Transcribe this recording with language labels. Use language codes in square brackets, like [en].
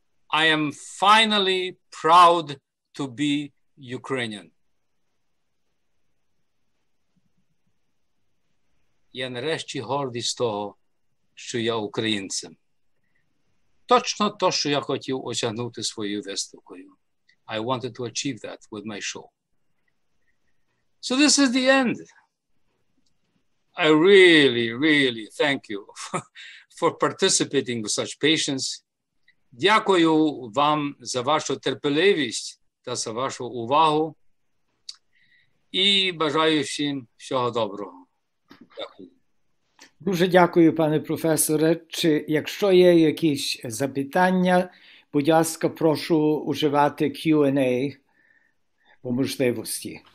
[en] I am finally proud to be Ukrainian. [uk] Я нарешті гордий з того, що я українцем. Точно то, що я хотів осягнути своєю виставкою. [en] I wanted to achieve that with my show. So this is the end. I really, really thank you for participating with such patience. [uk] Дякую вам за вашу терпеливість та за вашу увагу. І бажаю всім всього доброго. Дякую. Дуже дякую, пане професоре. Чи якщо є якісь запитання, будь ласка, прошу вживати Q&A по можливості.